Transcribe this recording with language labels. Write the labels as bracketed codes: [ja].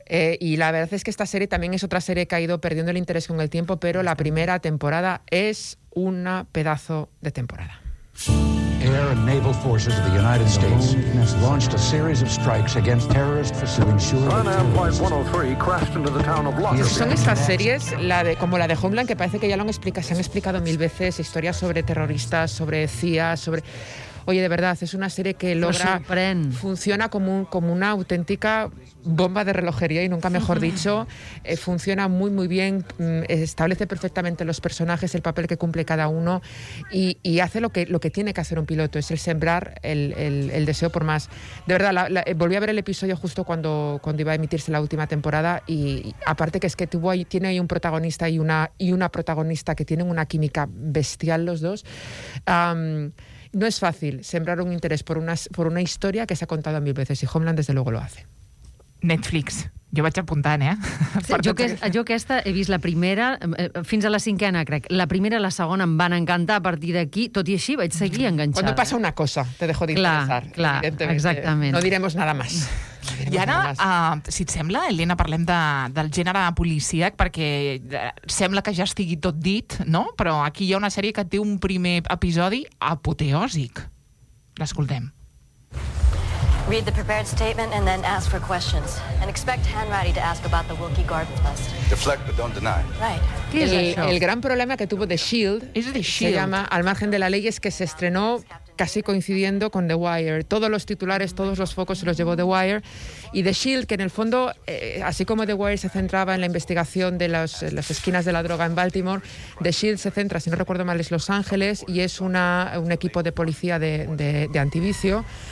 [es] Y la verdad es que esta serie también es otra serie que ha ido perdiendo el interés con el tiempo, pero la primera temporada es una pedazo de temporada. [en] Air and naval forces of the United States launched a series of strikes against terrorists to ensure. Sun Air Flight 103 crashed into the town of Lockerbie. [es] Son estas series, como la de Homeland, que parece que ya lo han explicado, se han explicado mil veces, historias sobre terroristas, sobre CIA, sobre Oye, de verdad, es una serie que logra... Me sorprend. Funciona como una auténtica bomba de relojería, y nunca mejor dicho. Funciona muy, muy bien, establece perfectamente los personajes, el papel que cumple cada uno, y hace lo que tiene que hacer un piloto, es el sembrar el deseo por más. De verdad, volví a ver el episodio justo cuando iba a emitirse la última temporada, y aparte que es que tiene ahí un protagonista y una protagonista que tienen una química bestial los dos. No es fácil sembrar un interés por una historia que se ha contado mil veces, y Homeland desde luego lo hace. [ca] Netflix. Jo vaig apuntant, eh? Sí, jo aquesta he vist la primera, fins a la cinquena, crec. La primera i la segona em van encantar a partir d'aquí, tot i així vaig seguir enganxada. [es] Cuando pasa una cosa, te dejo de interesar. [ca] Clar, exactament. [es] No diremos nada más. [ca] I ara, si et sembla, Elena, parlem del gènere policíac, perquè sembla que ja estigui tot dit, no? Però aquí hi ha una sèrie que té un primer episodi apoteòsic. L'escoltem. [en] Read the prepared statement and then ask for questions. And expect Hanratty to ask about the Wilkie Garden bust. Deflect but don't deny. Right. [es] El gran problema que tuvo The Shield, The Shield. Se llama, al margen de la ley, es que se estrenó casi coincidiendo con The Wire. Todos los titulares, todos los focos se los llevó The Wire. Y The Shield, que en el fondo, así como The Wire se centraba en la investigación de las esquinas de la droga en Baltimore, The Shield se centra, si no recuerdo mal, es Los Ángeles, y es un equipo de policía de antivicio.